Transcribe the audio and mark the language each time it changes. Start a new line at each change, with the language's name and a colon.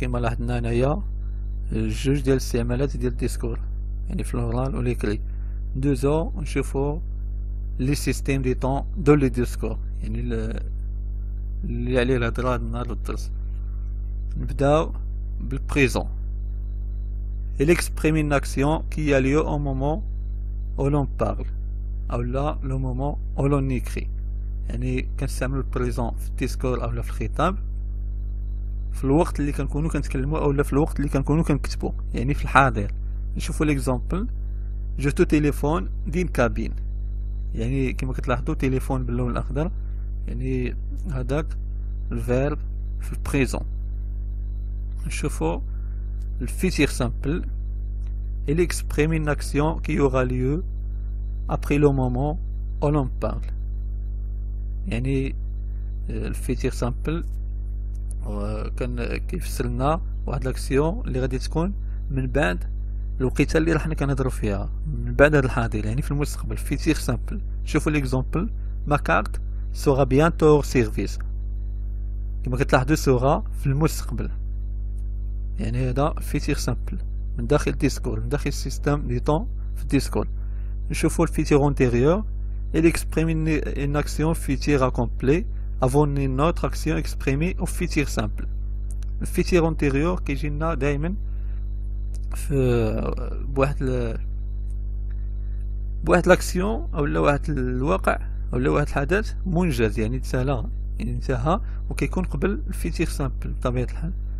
Arabic: كما لاحظنا هنايا جوج ديال الاستعمالات ديال الديسكور، يعني في الاورال و ليكري. دوزو نشوفو لي سيستيم دي طون دو لي ديسكور، يعني اللي عليه الهضرة هاد النهار و الدرس. نبداو بالبريزون.
French: il exprime une action qui a lieu au moment où l'on parle
Arabic: او لا لو مومون او لون يكري. يعني كنستعملو البريزون في الديسكور او لا في الخطاب في الوقت اللي كنكونو كنتكلمو او لا في الوقت اللي كنكونو كنكتبو، يعني في الحاضر. نشوفو ليكزامبل، جو تو تيليفون دين كابين، يعني كما كتلاحظو تيليفون باللون الاخضر، يعني هذاك الفيرب في البريزون. نشوفو الفيتير سامبل،
French: il exprime une action qui aura lieu après le moment où l'on parle.
Arabic: يعني الفيتير سامبل كان كيفسرنا واحد الاكسيون اللي غادي تكون من بعد الوقيته اللي راح كنهضروا فيها، من بعد هذا الحاضر، يعني في المستقبل. فيتير سامبل، شوفوا ليكزامبل، ما كارت سورا بيانتو سيرفيس، كما كتلاحظوا سورا في المستقبل، يعني هذا فيتير سامبل من داخل ديسكور، من داخل السيستم دي طون في ديسكور. نشوفو الفيتير اونتيريور،
French: il exprime une action future accomplie avant une autre action exprimée au فيتير سامبل.
Arabic: الفيتير اونتيريور كيجينا دائما في بواحد الاكسيون او لا واحد الواقع او لا واحد الحدث منجز، يعني تسالا انتهى، وكيكون قبل الفيتير سامبل بطبيعة الحال.